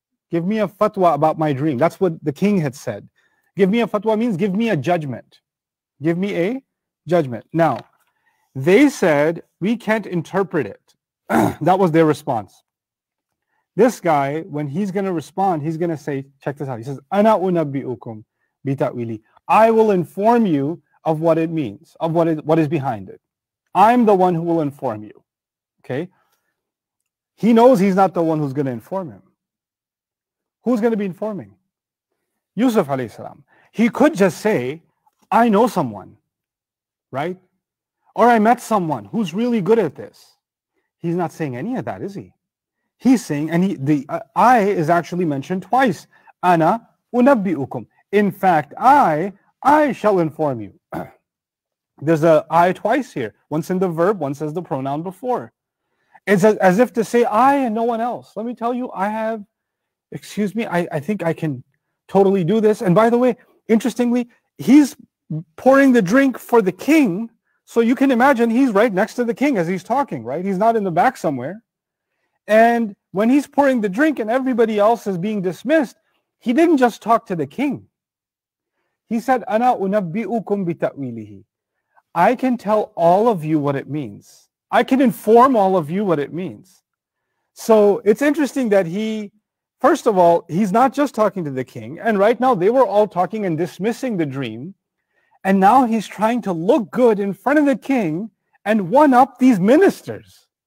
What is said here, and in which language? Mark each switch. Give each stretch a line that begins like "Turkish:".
English: Give me a fatwa about my dream. That's what the king had said. Give me a fatwa means give me a judgment. Give me a judgment. Now, they said, we can't interpret it. That was their response. This guy, when he's going to respond, he's going to say, check this out. He says,
Arabic: أَنَا أُنَبِّئُكُمْ بِتَأْوِيلِ.
English: I will inform you of what it means, of what is behind it. I'm the one who will inform you. Okay? He knows he's not the one who's going to inform him. Who's going to be informing? Yusuf alayhi salam. He could just say, I know someone, right? Or I met someone who's really good at this. He's not saying any of that, is he? He's saying, I is actually mentioned twice.
Arabic: Ana unabbi'ukum.
English: In fact, I shall inform you. There's a I twice here. Once in the verb, once as the pronoun before. It's as if to say, I and no one else. Let me tell you, I think I can totally do this. And by the way, interestingly, he's pouring the drink for the king. So you can imagine he's right next to the king as he's talking, right? He's not in the back somewhere. And when he's pouring the drink and everybody else is being dismissed, he didn't just talk to the king. He said,
Arabic: أَنَا أُنَبِّئُكُمْ بِتَأْوِيلِهِ.
English: I can tell all of you what it means. I can inform all of you what it means. So it's interesting that he's not just talking to the king. And right now they were all talking and dismissing the dream. And now he's trying to look good in front of the king and one up these ministers.